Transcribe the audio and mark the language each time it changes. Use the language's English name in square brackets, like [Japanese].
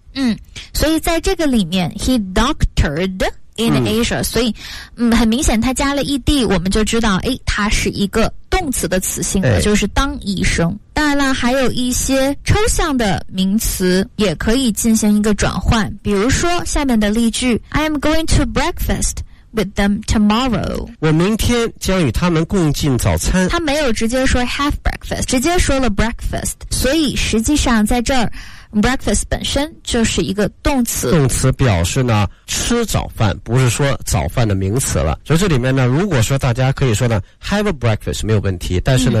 [Chinese] 嗯，所以在这个里面 [English] He doctored in Asia、 [Chinese] 嗯、所以很明显他加了 ed， 我们就知道诶他是一个动词的词性了、哎、就是当医生。当然了还有一些抽象的名词也可以进行一个转换，比如说下面的例句。 [English] I am going to breakfast with them tomorrow， [Chinese] 我明天将与他们共进早餐。他没有直接说 have breakfast， 直接说了 breakfast， 所以实际上在这儿 breakfast 本身就是一个动词，动词表示呢吃早饭，不是说早饭的名词了。所以这里面呢如果说大家可以说呢 have a breakfast 没有问题，但是呢、